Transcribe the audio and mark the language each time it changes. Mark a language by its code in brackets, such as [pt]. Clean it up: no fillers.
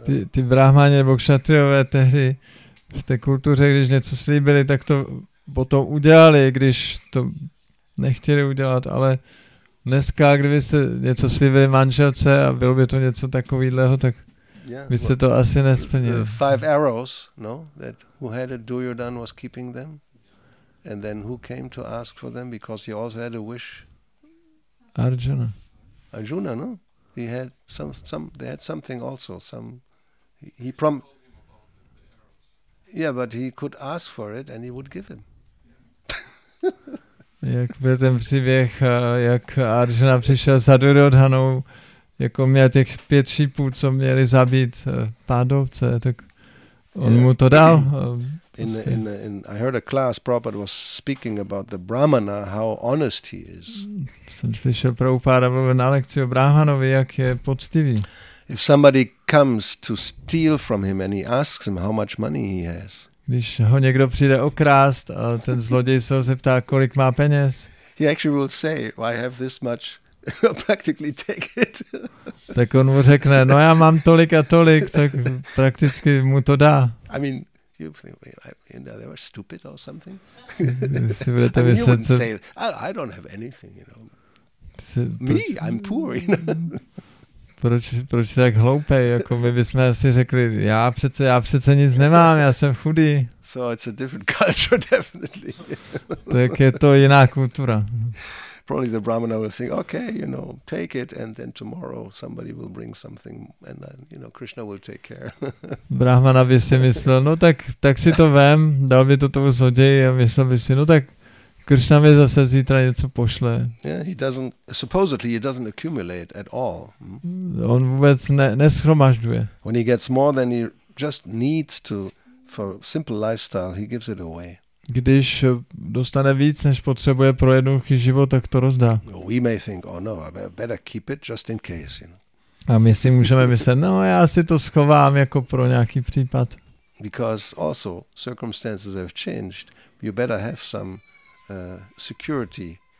[cs] ty brahmáni nebo kšatriové tehdy v té kultuře, když něco slíbili, tak to potom udělali, když to nechtěli udělat, ale dneska, kdybyste něco slíbili manželce a bylo by to něco takovýhleho, tak byste to asi nesplnili. [en] Five arrows, no? That who had it, Duryodhan was keeping them? And then who came to ask for them because he also had a wish? Arjuna. Arjuna, no? He had some they had something also, he yeah, but he could ask for it and he would give him. [cs] Jak byl ten příběh, jak Arjuna přišel za Duryodhanou, jako měl těch pět šípů, co měli zabít pádovce, tak on mu to dal. [en] In I heard a class Prabhupada was speaking about the brahmana, how honest he is. [cs] Jsem slyšel Prabhupada mluvit na lekci o brahmanovi, jak je poctivý. [en] If somebody comes to steal from him and he asks him how much money he has. [cs] Když ho někdo přijde okrást a ten zloděj se ho zeptá, kolik má peněz. [en] He actually will say, well, I have this much, practically take it. [cs] Tak on mu řekne, no já mám tolik a tolik, tak prakticky mu to dá. [en] I mean, you think they were stupid or something? I mean, you wouldn't say, I don't have anything, you know. Me, I'm poor, you know. [cs] Proč jsi tak hloupej? Jako my bychom asi řekli, já přece nic nemám, já jsem chudý. [en] So it's a different culture, definitely. [cs] Tak je to jiná kultura. [en] Probably the brahmana will think, okay, you know, take it and then tomorrow somebody will bring something and then, you know, Krishna will take care. [cs] Brahmana by si myslel, no tak si to vem, dal by to tomu zloději a myslel by si, no tak Krishna mi zase zítra něco pošle. [en] Yeah, he doesn't, supposedly he doesn't accumulate at all. [cs] On vůbec neschromažďuje. [en] When he gets more than he just needs to for simple lifestyle, he gives it away. [cs] Když dostane víc, než potřebuje pro jednoduchý život, tak to rozdá. [en] We may think, oh no, I better keep it just in case, you know. [cs] A my si můžeme myslet, no já si to schovám jako pro nějaký případ. [en] Because also circumstances have changed, you better have some security